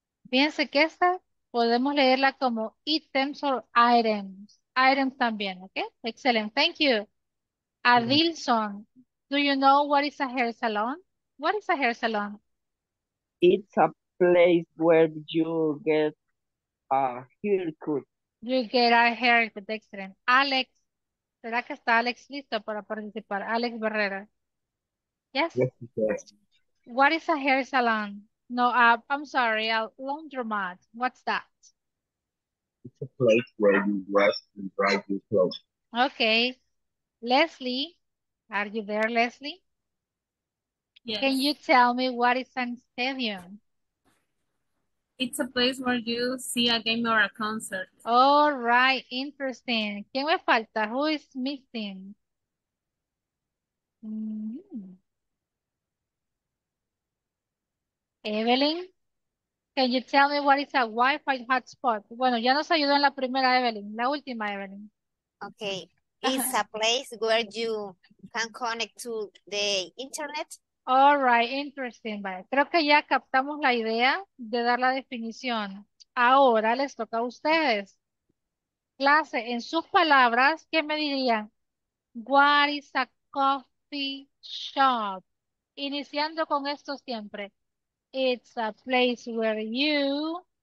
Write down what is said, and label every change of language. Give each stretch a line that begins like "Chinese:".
Spanish: Piense que esta podemos leerla como items or items.
English: Items también, okay? Excellent. Thank you. Adilson, do you know what is a hair salon? What is a hair salon? It's a place where you get a haircut. You get a haircut, excellent.
Spanish: Alex, ¿será que está Alex listo para participar?
English: Alex Barrera. Yes? Yes. What is a hair salon? No, I'm sorry, a laundromat. What's that? It's a place where you wash and dry your clothes. Okay. Leslie, are you there, Leslie? Yes. Can you tell me what is a stadium? It's a place where you see a game or a concert. All right, interesting.
Spanish: ¿Quién me falta?
English: Who is missing? Evelyn, can you tell me what is a Wi-Fi hotspot?
Spanish: Bueno, ya nos ayudó en la primera, Evelyn. La última, Evelyn.
English: Okay. It's a place where you can connect to the internet. All right, interesting. Vale.
Spanish: Creo que ya captamos la idea de dar la definición. Ahora les toca a ustedes. Clase, en sus palabras, ¿qué me dirían?
English: What is a coffee shop?
Spanish: Iniciando con esto siempre.
English: It's a place where you